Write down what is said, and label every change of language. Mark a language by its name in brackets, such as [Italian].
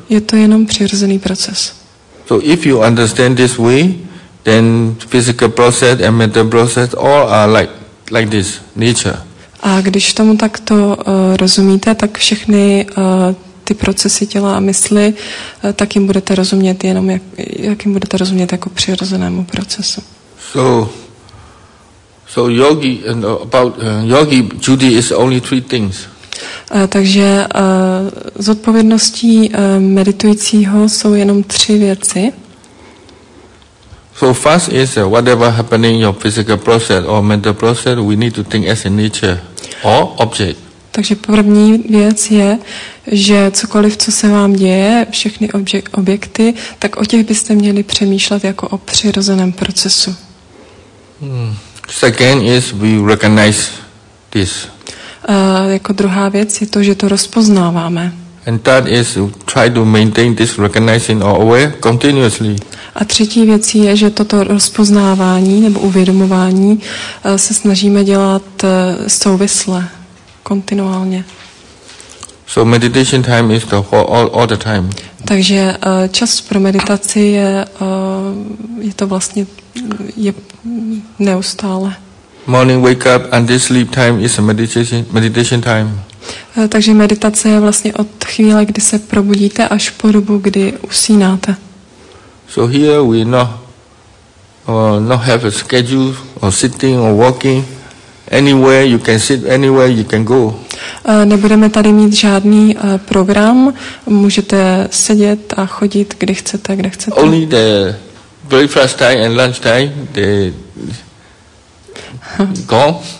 [Czech] Je to jenom přirozený proces. [English] So if you understand this way, then physical process and mental process all are like this, nature. [Czech] A když tomu takto rozumíte, tak všechny ty procesy těla a mysli, tak jim budete rozumět jenom jak jim budete rozumět jako přirozenému procesu. [English] So yogi and about yogi duty is only three things. [Czech] Takže zodpovědností meditujícího jsou jenom tři věci. [English] So first is whatever happening your physical process or mental process, we need to think as a nature. Or object. [Czech] Takže první věc je, že cokoliv, co se vám děje, všechny objekty, tak o těch byste měli přemýšlet jako o přirozeném procesu. [English] Second is we recognize this. [Czech] Jako druhá věc je to, že to rozpoznáváme. [English] And that is try to maintain this recognizing or aware continuously. [Czech] A třetí věc je, že toto rozpoznávání nebo uvědomování se snažíme dělat souvisle, kontinuálně. [English] So meditation time is the whole, all the time. [Czech] Takže čas pro meditaci je je to vlastně je neustále. [English] Morning wake up and this sleep time is a meditation time. [Czech] Takže meditace je vlastně od chvíle, kdy se probudíte, až po dobu, kdy usínáte. [English] So here we not have a schedule or sitting or walking. Anywhere you can sit, anywhere you can go. [Czech] Nebudeme tady mít žádný program. Můžete sedět a chodit, kde chcete, kde chcete. [English] Only the breakfast time and lunch time, they gone.